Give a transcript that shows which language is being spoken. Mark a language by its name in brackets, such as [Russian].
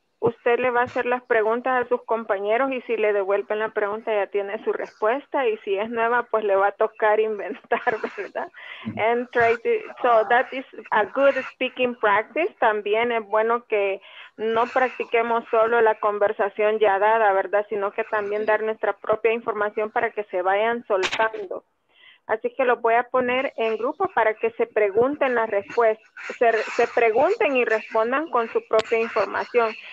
[Spanish] Usted le va a hacer las preguntas a sus compañeros y si le devuelven la pregunta ya tiene su respuesta y si es nueva, pues le va a tocar inventar, ¿verdad? [English] And try to, so that is a good speaking practice. [Spanish] También es bueno que no practiquemos solo la conversación ya dada, ¿verdad? Sino que también dar nuestra propia información para que se vayan soltando. Así que lo voy a poner en grupo para que se pregunten la respuesta, se pregunten y respondan con su propia información.